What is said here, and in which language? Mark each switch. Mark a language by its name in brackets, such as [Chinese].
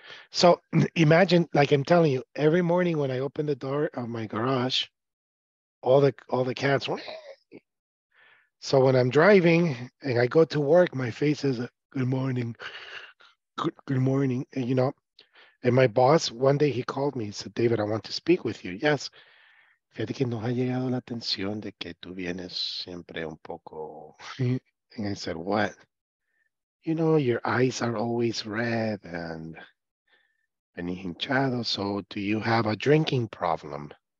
[English] So imagine, like I'm telling you, every morning when I open the door of my garage, all the cats. So when I'm driving and I go to work, my face is good morning. Good morning, and, you know, and my boss, one day he called me, he said, David, I want to speak with you. Yes. [Spanish] Fíjate que nos ha llegado la atención de que tú vienes siempre un poco. [English] And I said, what? You know, your eyes are always red and [Spanish] venís hinchado, [English] so do you have a drinking problem?